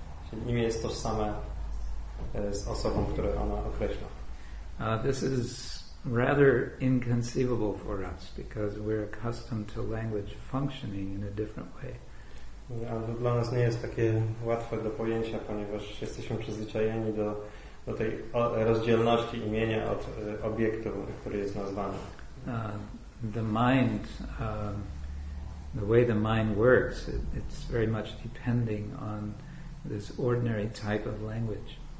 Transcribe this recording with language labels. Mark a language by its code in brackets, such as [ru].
[pl] Czyli imię jest tożsame z osobą, które ona określa. [en] This is rather inconceivable for us because we're accustomed to language functioning in a different way. [pl] Dla nas nie jest takie łatwe do pojęcia, ponieważ jesteśmy przyzwyczajeni do tej rozdzielności imienia od obiektu, który jest nazwany. [en] The mind, the way the mind works, it's very much depending on this ordinary type of language.